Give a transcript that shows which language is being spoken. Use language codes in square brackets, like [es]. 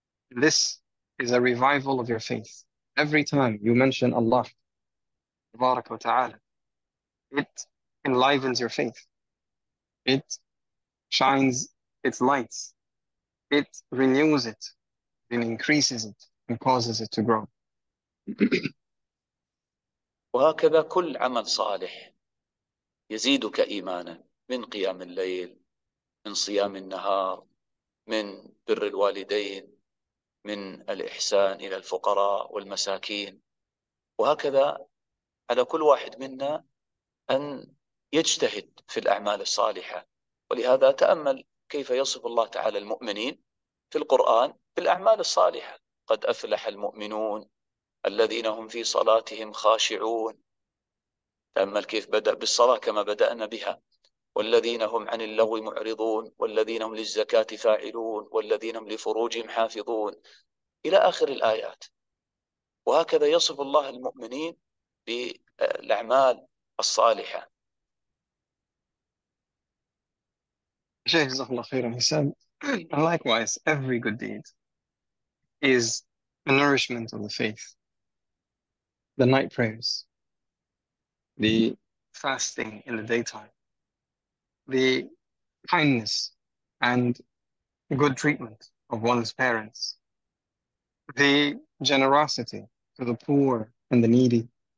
[en] This is a revival of your faith. Every time you mention Allah, [ar] tabarak wa ta'ala, [en] it enlivens your faith. It shines its lights. It renews it and increases it and causes it to grow. [ar] وهكذا كل عمل صالح يزيدك إيمانا، من قيام الليل، من صيام النهار، من بر الوالدين، من الإحسان إلى الفقراء والمساكين. وهكذا على كل واحد منا أن يجتهد في الأعمال الصالحة. ولهذا تأمل كيف يصف الله تعالى المؤمنين في القرآن بالأعمال الصالحة: قد أفلح المؤمنون الذين هم في صلاتهم خاشعون. تأمل كيف بدأ بالصلاة كما بدأنا بها: والذين هم عن اللغو معرضون، والذين هم للزكاة فاعلون، والذين هم لفروجهم حافظون، إلى آخر الآيات. وهكذا يصف الله المؤمنين بالأعمال الصالحة. Shaykh Jazakallah الله خيرا. [en] He said, and likewise, every good deed is a nourishment of the faith. The night prayers, the fasting in the daytime, the kindness and good treatment of one's parents, the generosity to the poor and the needy.